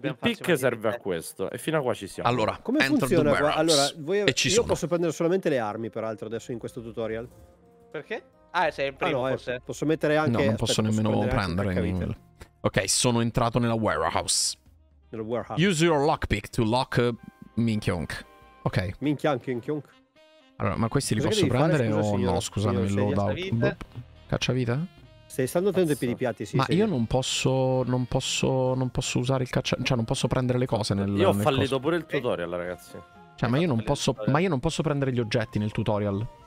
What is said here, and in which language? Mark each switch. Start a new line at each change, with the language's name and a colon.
Italian: il pick serve a questo e fino a qua ci siamo. Allora, come funziona qua? Allora, io posso prendere solamente le armi, peraltro, adesso in questo tutorial. Perché? Ah, sei il primo, forse. Posso mettere anche... No, non posso nemmeno prendere. Ok, sono entrato nella warehouse. Nel warehouse.
English: Use your lockpick to lock Minkyunk.
Italian: Ok. Minkyunk. Allora, ma questi li posso prendere o no? Scusami, lo do. Cacciavite? Stai stando attento ai piedi piatti, sì. Ma io non posso usare il caccia... Cioè, non posso prendere le cose nel... Io ho fallito pure il tutorial, ragazzi. Cioè, ma io non posso... Ma io non posso prendere gli oggetti nel tutorial.